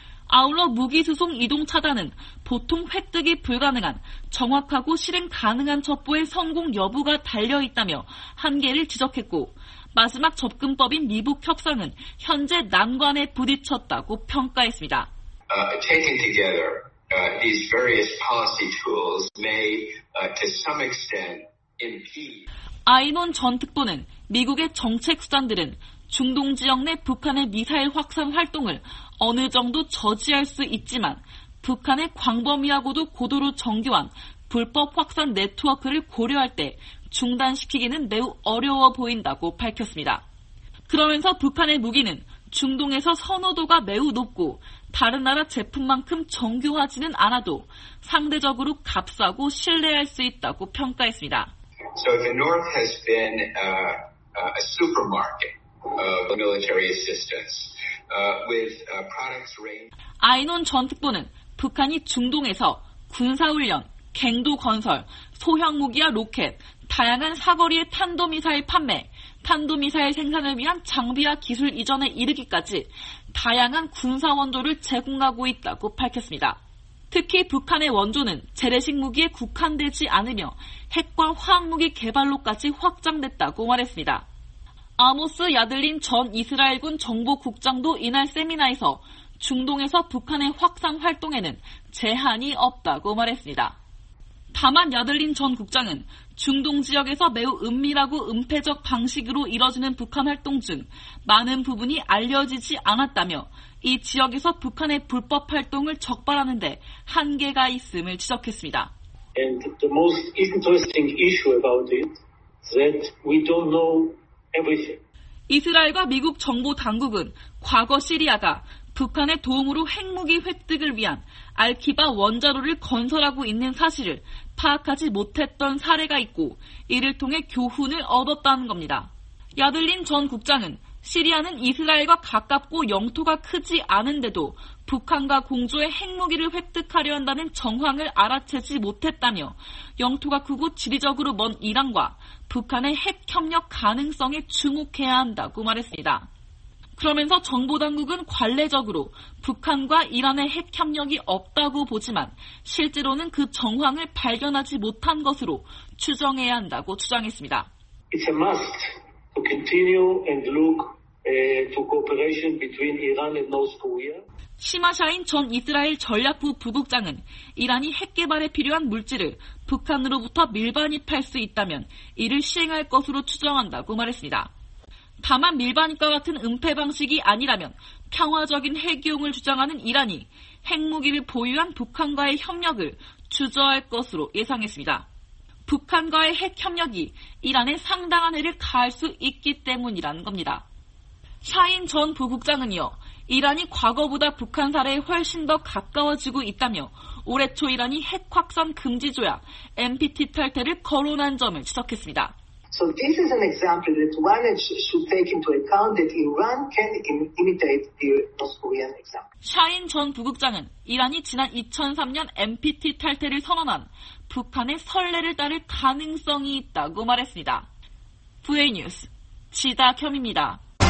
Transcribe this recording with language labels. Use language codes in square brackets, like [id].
[ko] 아울러 무기 수송 이동 차단은 보통 획득이 불가능한 정확하고 실행 가능한 첩보의 성공 여부가 달려있다며 한계를 지적했고 마지막 접근법인 미북 협상은 현재 난관에 부딪혔다고 평가했습니다. [en] These various policy tools may, to some extent, impede. [ko] 아이논 전 특보는 미국의 정책 수단들은 중동 지역 내 북한의 미사일 확산 활동을 어느 정도 저지할 수 있지만 북한의 광범위하고도 고도로 정교한 불법 확산 네트워크를 고려할 때 중단시키기는 매우 어려워 보인다고 밝혔습니다. 그러면서 북한의 무기는 중동에서 선호도가 매우 높고 다른 나라 제품만큼 정교하지는 않아도 상대적으로 값싸고 신뢰할 수 있다고 평가했습니다. [en] So the North has been a supermarket of military assistance with products range. [ko] 아이논 전 특보는 북한이 중동에서 군사훈련, 갱도 건설, 소형 무기와 로켓, 다양한 사거리의 탄도미사일 판매, 탄도미사일 생산을 위한 장비와 기술 이전에 이르기까지 다양한 군사 원조를 제공하고 있다고 밝혔습니다. 특히 북한의 원조는 재래식 무기에 국한되지 않으며 핵과 화학무기 개발로까지 확장됐다고 말했습니다. 아모스 야들린 전 이스라엘군 정보국장도 이날 세미나에서 중동에서 북한의 확산 활동에는 제한이 없다고 말했습니다. 다만 야들린 전 국장은 중동 지역에서 매우 은밀하고 은폐적 방식으로 이뤄지는 북한 활동 중 많은 부분이 알려지지 않았다며 이 지역에서 북한의 불법 활동을 적발하는 데 한계가 있음을 지적했습니다. [en] And the most interesting issue about it that we don't know everything. [ko] 이스라엘과 미국 정보 당국은 과거 시리아가 북한의 도움으로 핵무기 획득을 위한 알키바 원자로를 건설하고 있는 사실을 파악하지 못했던 사례가 있고 이를 통해 교훈을 얻었다는 겁니다. 야들린 전 국장은 시리아는 이스라엘과 가깝고 영토가 크지 않은데도 북한과 공조해 핵무기를 획득하려 한다는 정황을 알아채지 못했다며 영토가 크고 지리적으로 먼 이란과 북한의 핵협력 가능성에 주목해야 한다고 말했습니다. 그러면서 정보당국은 관례적으로 북한과 이란의 핵협력이 없다고 보지만 실제로는 그 정황을 발견하지 못한 것으로 추정해야 한다고 주장했습니다. [en] It's a must to continue and look to cooperation between Iran and North Korea. [ko] 시마샤인 전 이스라엘 전략부 부국장은 이란이 핵 개발에 필요한 물질을 북한으로부터 밀반입할 수 있다면 이를 시행할 것으로 추정한다고 말했습니다. 다만 밀반입과 같은 은폐 방식이 아니라면 평화적인 핵이용을 주장하는 이란이 핵무기를 보유한 북한과의 협력을 주저할 것으로 예상했습니다. 북한과의 핵협력이 이란에 상당한 해를 가할 수 있기 때문이라는 겁니다. 샤인 전 부국장은 이어 이란이 과거보다 북한 사례에 훨씬 더 가까워지고 있다며 올해 초 이란이 핵확산 금지 조약 NPT 탈퇴를 거론한 점을 지적했습니다. [en] So this is an example that one should take into account that Iran can imitate the North Korean example. [ko] 샤인 전 부국장은 이란이 지난 2003년 NPT 탈퇴를 선언한 북한의 선례를 따를 가능성이 있다고 말했습니다. VA 뉴스 지다겸입니다.